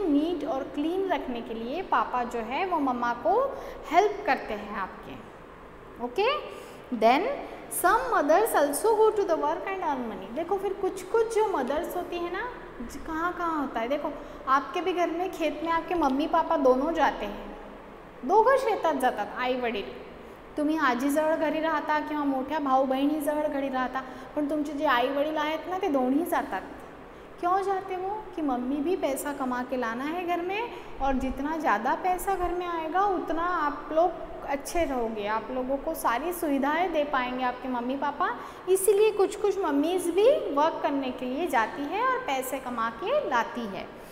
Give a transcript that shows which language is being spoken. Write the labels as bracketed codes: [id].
[hi] NEET और clean रखने के लिए पापा जो है वो मम्मा को हेल्प करते हैं आपके। [en] Okay, then some mothers also go to the work and earn money. [hi] देखो फिर कुछ कुछ जो मदर्स होती है ना, कहाँ कहाँ होता है, देखो आपके भी घर में खेत में आपके मम्मी पापा दोनों जाते हैं, [mr] दोघं शेतात जातात आई वडील। तुम्ही आजीजवळ घरी राहता किंवा मोठ्या भाऊ बहिणीजवळ घरी राहता, पण तुमचे जे आई वडील आहेत ना ते दोन्ही जातात। [hi] क्यों जाते वो? कि मम्मी भी पैसा कमा के लाना है घर में, और जितना ज़्यादा पैसा घर में आएगा उतना आप लोग अच्छे रहोगे, आप लोगों को सारी सुविधाएं दे पाएंगे आपके मम्मी पापा। इसीलिए कुछ कुछ मम्मीज भी वर्क करने के लिए जाती है और पैसे कमा के लाती है।